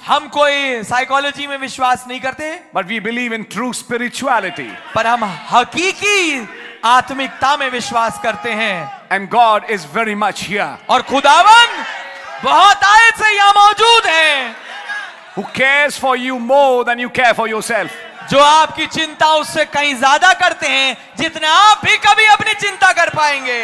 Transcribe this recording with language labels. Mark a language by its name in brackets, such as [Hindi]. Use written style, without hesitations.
[Hindi] हम कोई साइकोलॉजी में विश्वास नहीं करते [English] But we believe in true spirituality. [Hindi] पर हम हकीकी आत्मिकता में विश्वास करते हैं [English] And God is very much here. [Hindi] और खुदावन बहुत आयत से यहां मौजूद है [English] Who cares for you more than you care for yourself? [Hindi] जो आपकी चिंता उससे कहीं ज्यादा करते हैं जितने आप भी कभी अपनी चिंता कर पाएंगे